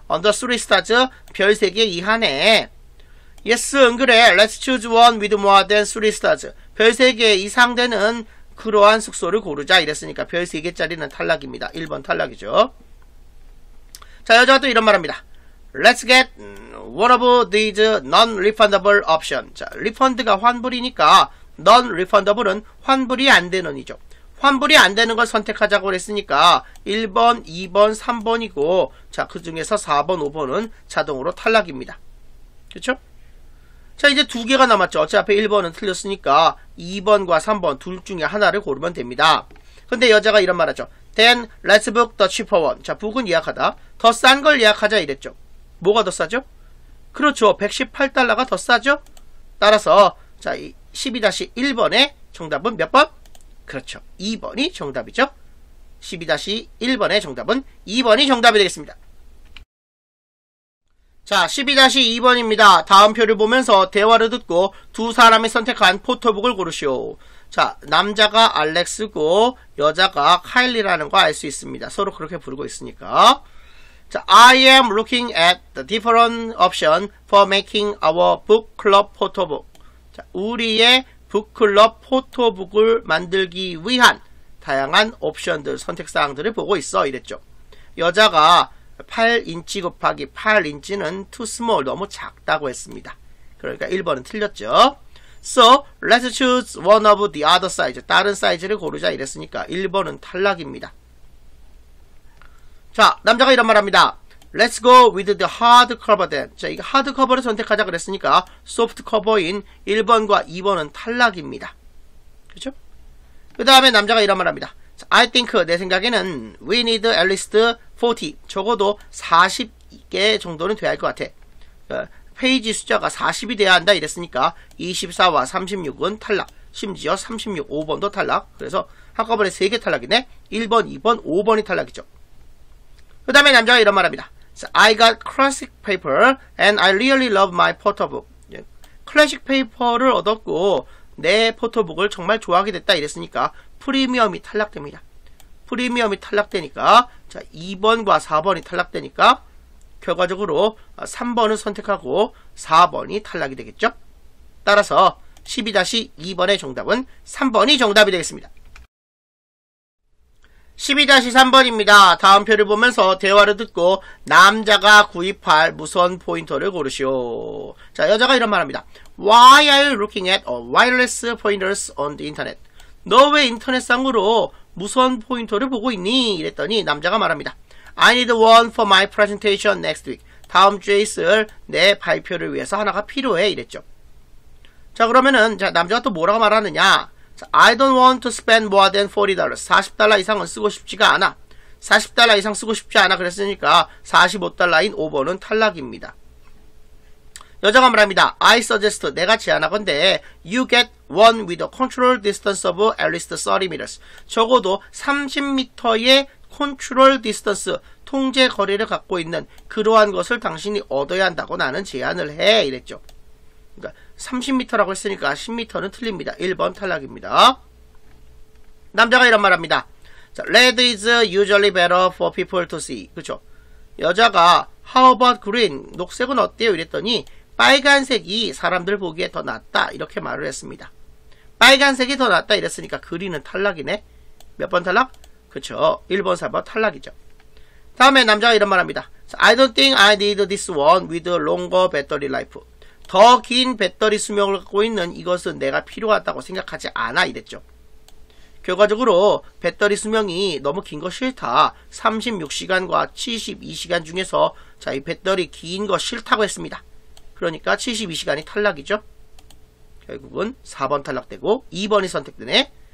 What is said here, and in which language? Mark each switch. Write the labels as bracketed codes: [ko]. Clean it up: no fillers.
[en] Under 3 stars, [ko] 별 3개 이하네. [en] Yes, [ko] 그래. [en] Let's choose one with more than 3 stars. [ko] 별 3개 이상 되는 그러한 숙소를 고르자. 이랬으니까 별 3개짜리는 탈락입니다. 1번 탈락이죠. 자, 여자가 또 이런 말합니다. [en] Let's get one of these non-refundable options. [ko] 자, refund가 환불이니까 non-refundable은 환불이 안 되는이죠. 환불이 안 되는 걸 선택하자고 했으니까 1번, 2번, 3번이고 자, 그 중에서 4번, 5번은 자동으로 탈락입니다. 그렇죠? 자, 이제 두 개가 남았죠. 어차피 1번은 틀렸으니까 2번과 3번 둘 중에 하나를 고르면 됩니다. 근데 여자가 이런 말하죠. [en] Then let's book the cheaper one. [ko] 자, 북은 예약하다. 더 싼 걸 예약하자 이랬죠. 뭐가 더 싸죠? 그렇죠. 118달러가 더 싸죠? 따라서 자, 12-1번의 정답은 몇 번? 그렇죠. 2번이 정답이죠. 12-1번의 정답은 2번이 정답이 되겠습니다. 자, 12-2번입니다. 다음 표를 보면서 대화를 듣고 두 사람이 선택한 포토북을 고르시오. 자, 남자가 알렉스고 여자가 카일리라는 거 알 수 있습니다. 서로 그렇게 부르고 있으니까. [en] 자, I am looking at the different option for making our book club photobook. [ko] 자, 우리의 북클럽 포토북을 만들기 위한 다양한 옵션들, 선택사항들을 보고 있어. 이랬죠. 여자가 8인치 곱하기 8인치는 [en] too small, [ko] 너무 작다고 했습니다. 그러니까 1번은 틀렸죠. [en] So, let's choose one of the other size. [ko] 다른 사이즈를 고르자 이랬으니까 1번은 탈락입니다. 자, 남자가 이런 말합니다. [en] Let's go with the hard cover then. [ko] 자, 이거 hard cover를 선택하자 그랬으니까 soft cover인 1번과 2번은 탈락입니다. 그렇죠? 그 다음에 남자가 이런 말합니다. [en] I think [ko] 내 생각에는 [en] we need at least 40. [ko] 적어도 40개 정도는 돼야 할 것 같아. 페이지 숫자가 40이 돼야 한다 이랬으니까 24와 36은 탈락. 심지어 36, 5번도 탈락. 그래서 한꺼번에 3개 탈락이네. 1번, 2번, 5번이 탈락이죠. 그 다음에 남자가 이런 말합니다. [en] I got classic paper and I really love my photobook. [ko] 클래식 페이퍼를 얻었고 내 포토북을 정말 좋아하게 됐다 이랬으니까 프리미엄이 탈락됩니다. 프리미엄이 탈락되니까 자 2번과 4번이 탈락되니까 결과적으로 3번을 선택하고 4번이 탈락이 되겠죠. 따라서 12-2번의 정답은 3번이 정답이 되겠습니다. 12-3번입니다. 다음 표를 보면서 대화를 듣고 남자가 구입할 무선 포인터를 고르시오. 자, 여자가 이런 말합니다. [en] Why are you looking at wireless pointers on the internet? [ko] 너 왜 인터넷상으로 무선 포인터를 보고 있니? 이랬더니 남자가 말합니다. [en] I need one for my presentation next week. [ko] 다음 주에 있을 내 발표를 위해서 하나가 필요해. 이랬죠. 자, 그러면은 자 남자가 또 뭐라고 말하느냐. [en] I don't want to spend more than $40. [ko] 40달러 이상은 쓰고 싶지가 않아. 40달러 이상 쓰고 싶지 않아. 그랬으니까 45달러인 5번은 탈락입니다. 여자가 말합니다. [en] I suggest, [ko] 내가 제안하건대 [en] you get one with a control distance of at least 30m. [ko] 적어도 30m의 control distance, 통제 거리를 갖고 있는 그러한 것을 당신이 얻어야 한다고 나는 제안을 해. 이랬죠. 30m라고 했으니까 10m는 틀립니다. 1번 탈락입니다. 남자가 이런 말합니다. [en] Red is usually better for people to see. [ko] 그렇죠? 여자가 [en] How about green? [ko] 녹색은 어때요? 이랬더니 빨간색이 사람들 보기에 더 낫다. 이렇게 말을 했습니다. 빨간색이 더 낫다 이랬으니까 그린은 탈락이네. 몇 번 탈락? 그렇죠. 1번, 4번 탈락이죠. 다음에 남자가 이런 말합니다. [en] I don't think I need this one with longer battery life. [ko] 더 긴 배터리 수명을 갖고 있는 이것은 내가 필요하다고 생각하지 않아 이랬죠. 결과적으로 배터리 수명이 너무 긴 거 싫다. 36시간과 72시간 중에서 자, 이 배터리 긴 거 싫다고 했습니다. 그러니까 72시간이 탈락이죠. 결국은 4번 탈락되고 2번이 선택되네.